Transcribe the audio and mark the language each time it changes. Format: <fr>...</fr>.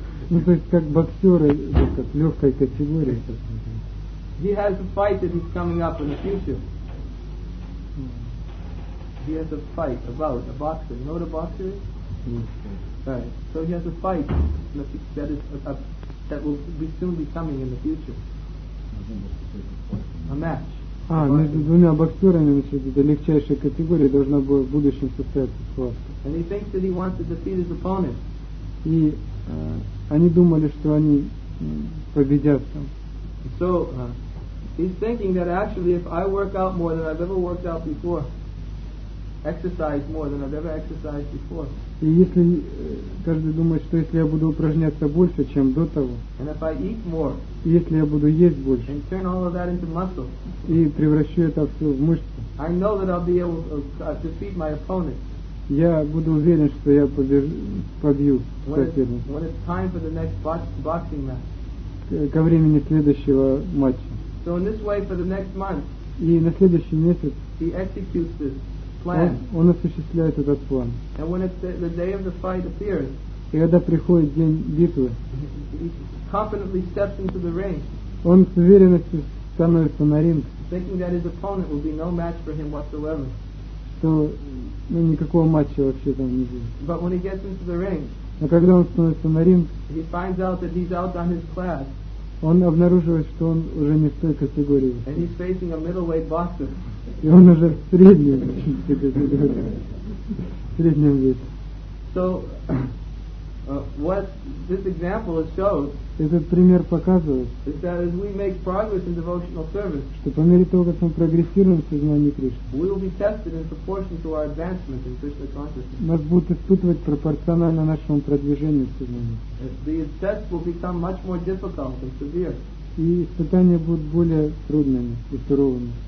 <ru>Ну то есть как боксеры, как легкой категории.</ru> <en>He has a fight that is coming up in the future. He has a fight about a boxer. You know what a boxer is? Right. So he has a fight that is that will be soon be coming in the future. A match.</en> <ru>А, между двумя боксерами, значит, это легчайшая категория, должна была в будущем состояться схватка.</ru> <en>And he thinks that he wants to defeat his opponent.</en> <ru>И они думали, что они победят там.</ru> <en>So, he's thinking that actually if I work out more than I've ever worked out before, exercise more than I've ever exercised before.</en> <ru>И если каждый думает, что если я буду упражняться больше, чем до того,</ru> <en>and if I eat more,</en> <ru>если я буду есть больше,</ru> <en>and turn all of that into muscle,</en> <ru>и превращу это все в мышцы,</ru> <en>I know that I'll be able to defeat my opponent.</en> <ru>Я буду уверен, что я побью соперника.</ru> <en>When it's time for the next boxing match.</en> <ru>Ко времени следующего матча.</ru> <en>So in this way, for the next month,</en> <ru>и на следующий месяц</ru> <en>he executes this.</en> <ru>Он осуществляет этот план.</ru> <en>And when the day of the fight appears,</en> <ru>и когда приходит день битвы,</ru> <en>he confidently steps into the ring,</en> <ru>он с уверенностью становится на ринг,</ru> <en>thinking that his opponent will be no match for him whatsoever.</en> <ru>Что, ну, никакого матча вообще там не будет.</ru> <en>But when he gets into the ring,</en> <ru>а когда он становится на ринг,</ru> <en>he finds out that he's outdone his class,</en> <ru>он обнаруживает, что он уже не в той категории.</ru> <en>And he's facing a middleweight boxer.</en> <ru>И он уже в среднем весе.</ru> <en>So, what this example shows,</en> <ru>этот пример показывает,</ru> <en>is that as we make progress in devotional service,</en> <ru>что по мере того, как мы прогрессируем в сознании Кришны,</ru> <en>we will be tested in proportion to our advancement in Krishna consciousness.</en> <ru>Нас будут испытывать пропорционально нашему продвижению в сознании.</ru> <en>The test will become much more difficult and severe.</en> <ru>И испытания будут более трудными и суровыми.</ru>